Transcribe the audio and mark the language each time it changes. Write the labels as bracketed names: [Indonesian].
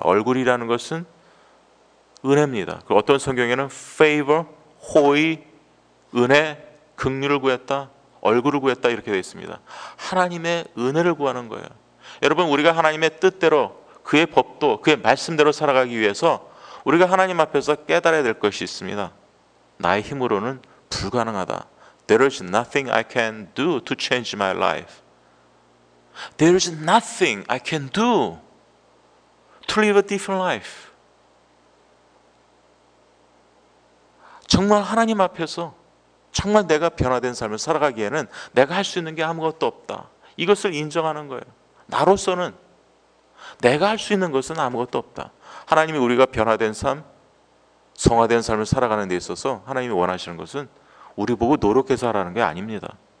[Korean] 얼굴이라는 것은 은혜입니다. 어떤 성경에는 favor, 호의, 은혜, 긍휼을 구했다, 얼굴을 구했다 이렇게 되어 있습니다. 하나님의 은혜를 구하는 거예요. 여러분, 우리가 하나님의 뜻대로, 그의 법도, 그의 말씀대로 살아가기 위해서 우리가 하나님 앞에서 깨달아야 될 것이 있습니다. 나의 힘으로는 불가능하다. [English] There is nothing I can do to change my life. There is nothing I can do to live a different life. [Korean] 정말 하나님 앞에서 정말 내가 변화된 삶을 살아가기에는 내가 할 수 있는 게 아무것도 없다. 이것을 인정하는 거예요. 나로서는 내가 할 수 있는 것은 아무것도 없다. 하나님이 우리가 변화된 삶, 성화된 삶을 살아가는 데 있어서 하나님이 원하시는 것은 우리 보고 노력해서 하라는 게 아닙니다.